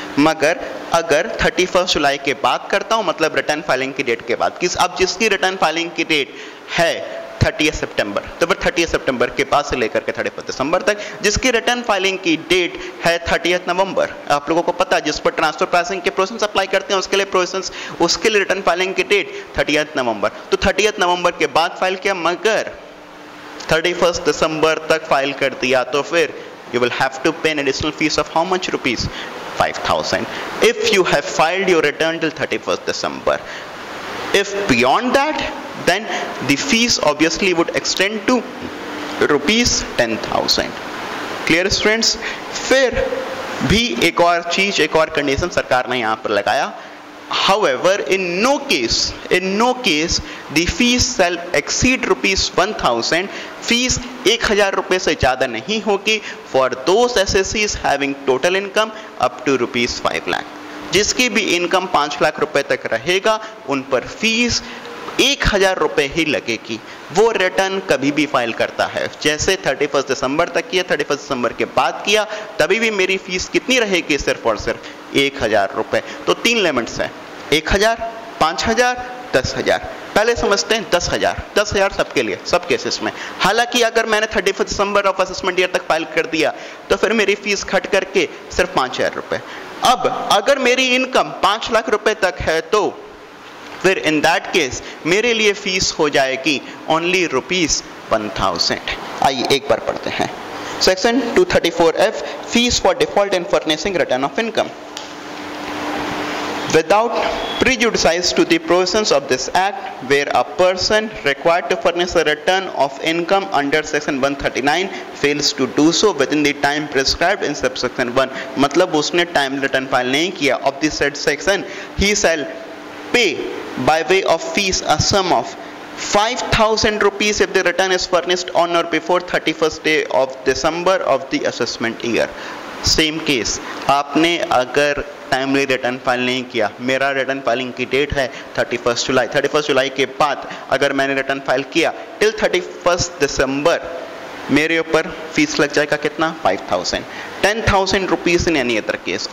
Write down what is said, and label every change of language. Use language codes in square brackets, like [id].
[hi] मगर अगर 31st जुलाई के बाद करता हूँ, मतलब रिटर्न फाइलिंग की डेट के बाद, किस अब जिसकी रिटर्न फाइलिंग की डेट है 30th सितंबर, तो फिर 30th सितंबर के बाद से लेकर के 31st दिसंबर तक, जिसकी रिटर्न फाइलिंग की डेट है 30th नवंबर, आप लोगों को पता है जिस पर ट्रांसफर प्राइसिंग के प्रोसेस अप्लाई करते हैं उसके लिए प्रोसेस, उसके लिए रिटर्न फाइलिंग की डेट 30th नवंबर, तो 30th नवंबर के बाद फाइल किया मगर 31st दिसंबर तक फाइल कर दिया तो फिर [en] you will have to pay an additional fees of how much rupees? 5,000. If you have filed your return till 31st December. If beyond that, then the fees obviously would extend to rupees 10,000. Clear students? Fair. [hi] भी एक और चीज, एक और condition सरकार ने यहाँ पर लगाया. [en] However, in no case, the fees shall exceed rupees 1,000. Fees 1,000 [hi] रुपए से ज़्यादा नहीं होगी [en] for those SSCs having total income up to rupees 5 lakh. [hi] जिसकी भी इनकम 5 लाख रुपए तक रहेगा, उन पर फीस 1,000 रुपए ही लगेगी. वो रिटर्न कभी भी फाइल करता है, जैसे 31 दिसंबर तक किया, 31 दिसंबर के बाद किया, तभी भी मेरी फीस कितनी रहेगी? सिर्फ और सिर्फ 1,000 रुपए. तो तीन लिमिट्स हैं, 1,000, 5,000, 10,000. पहले समझते हैं 10,000. 10,000 सबके लिए, सब केसेस में. हालांकि अगर मैंने 31 दिसंबर [en] of assessment year [hi] तक फाइल कर दिया तो फिर मेरी फीस घट करके सिर्फ 5,000 रुपए. अब अगर मेरी इनकम 5 लाख रुपए तक है तो फिर [en] in that case [hi] मेरे लिए फीस हो जाएगी [en] only rupees [hi] 1,000. आइए एक बार पढ़ते हैं section 234F, [en] Fees for default in furnishing return of income. Without prejudice to the provisions of this Act, where a person required to furnish a return of income under Section 139 fails to do so within the time prescribed in Subsection 1, [hi] मतलब उसने time return file नहीं किया [en] of the said section, he shall pay by way of fees a sum of 5,000 rupees if the return is furnished on or before 31st day of December of the assessment year. [hi] Same case, आपने अगर timely return file नहीं किया, मेरा return filing की date है 31 जुलाई, 31 जुलाई के बाद अगर मैंने रिटर्न फाइल किया टिल 31 दिसंबर, मेरे ऊपर फीस लग जाएगा कितना? [en] 5,000. 10,000 rupees in any other case.